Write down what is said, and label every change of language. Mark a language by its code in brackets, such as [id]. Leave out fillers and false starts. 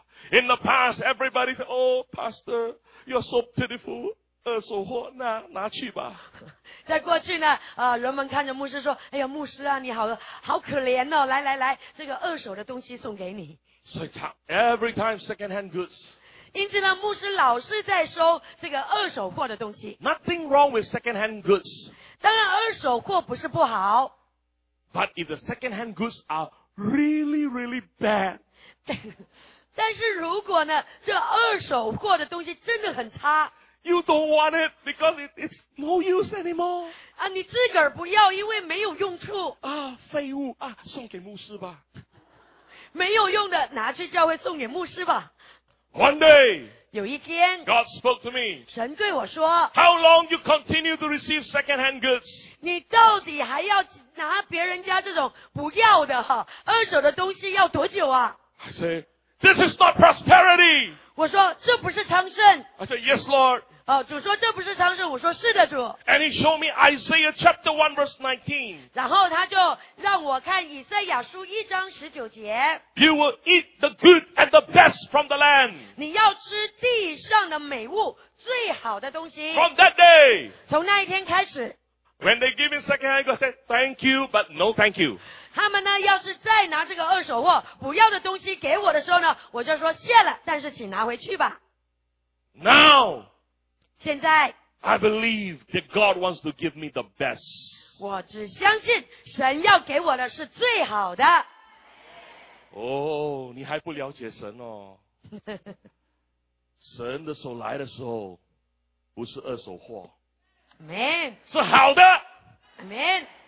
[en] In the past, everybody said, Oh, Pastor, you're so pitiful. [zh] 二手货那拿去吧。在过去呢人们看着牧师说哎呀牧师啊你好好可怜哦来来来这个二手的东西送给你。所以他 [en] every time second-hand goods. [zh] 因此呢牧师老是在收这个二手货的东西。 [en] Nothing wrong with second-hand goods. [zh] 当然二手货不是不好。 [en] But if the second-hand goods are really, really bad, [zh] 但是如果呢这二手货的东西真的很差。 [en] You don't want it because it's no use anymore. [zh] 啊你自个儿不要因为没有用处。啊废物啊送给牧师吧。没有用的拿去教会送给牧师吧。 [en] One day, [zh] 有一天 [en] God spoke to me. [zh] 神对我说 [en] How long you continue to receive second-hand goods? [zh] 你到底还要拿别人家这种不要的二手的东西要多久啊 [en] I say,This is not prosperity. [zh] 我说这不是昌盛。 [en] I said yes, Lord. [zh] 主说这不是昌盛。我说是的，主。 [en] And he showed me Isaiah chapter 1 verse 19. [zh] 然后他就让我看以赛亚书一章十九节。 [en] You will eat the good and the best from the land. [zh] 你要吃地上的美物，最好的东西。 [en] From that day. [zh] 从那一天开始。 [en] When they give me second hand, I said thank you, but no thank you. [zh] 他们呢要是再拿这个二手货不要的东西给我的时候呢我就说谢了但是请拿回去吧。 [en] Now, [zh] 现在 [en] I believe that God wants to give me the best. [zh] 我只相信神要给我的是最好的。 Oh, 你还不了解神哦。神的手来的时候不是二手货。 [en] Amen. [zh] 是好的。 [en] Amen.